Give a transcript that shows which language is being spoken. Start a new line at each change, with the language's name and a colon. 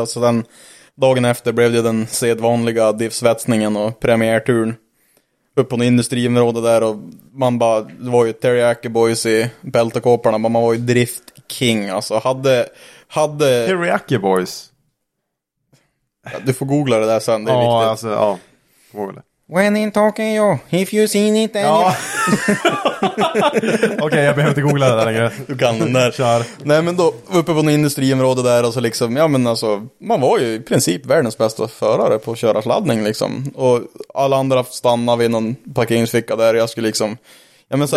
Swedish: Och så den dagen efter blev det den sedvanliga diffsvetsningen och premiärturen. Upp på en industriområde där. Och man bara, det var ju Teriyaki Boys i bält och kåparna. Man var ju drift king, alltså. Hade... Teriyaki Boys? Ja, du får googla det där sen, det är viktigt. Ja, alltså, ja.
English: When in Tokyo, if you seen it then.
Swedish: Ja. Okej, jag behöver inte googla det där längre. Du kan den där. Kör. Nej, men då uppe på något industriområde där och så liksom, ja men alltså, man var ju i princip världens bästa förare på att köra sladdning liksom. Och alla andra stannade vid någon parkeringsficka där. Jag skulle liksom, ja men så